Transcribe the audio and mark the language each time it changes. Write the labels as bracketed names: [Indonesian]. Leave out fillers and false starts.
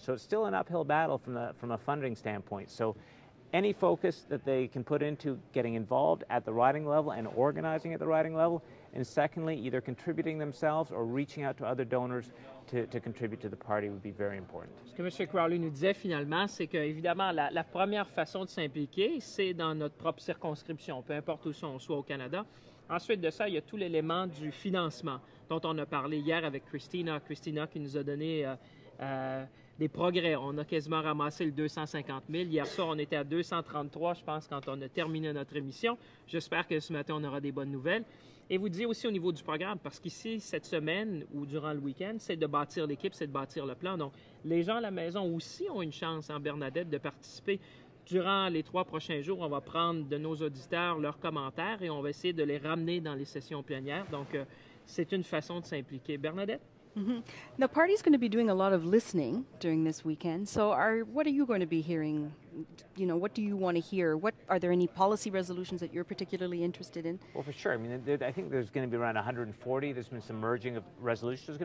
[English] So it's still an uphill battle from a funding standpoint. So any focus that they can put into getting involved at the riding level and organizing at the riding level, and secondly, either contributing themselves or reaching out to other donors to contribute to the party would be very important. [French] Ce que M. Crawley nous disait finalement, c'est que évidemment la première façon de s'impliquer, c'est dans notre propre circonscription, peu importe où on soit au Canada. Ensuite de ça, il y a tout l'élément du financement dont on a parlé hier avec Christina qui nous a donné des progrès. On a quasiment ramassé le 250 000. Hier soir, on était à 233, je pense, quand on a terminé notre émission. J'espère que ce matin, on aura des bonnes nouvelles. Et vous disiez aussi au niveau du programme, parce qu'ici, cette semaine ou durant le week-end, c'est de bâtir l'équipe, c'est de bâtir le plan. Donc, les gens à la maison aussi ont une chance, hein, Bernadette, de participer. Durant les trois prochains jours, on va prendre de nos auditeurs leurs commentaires et on va essayer de les ramener dans les sessions plénières. Donc, c'est une façon de s'impliquer. Bernadette? Mm-hmm. [English] The party is going to be doing a lot of listening during this weekend. So what are you going to be hearing? You know, what do you want to hear? What are there any policy resolutions that you're particularly interested in? Well, for sure. I mean, I think there's going to be around 140. There's been some merging of resolutions.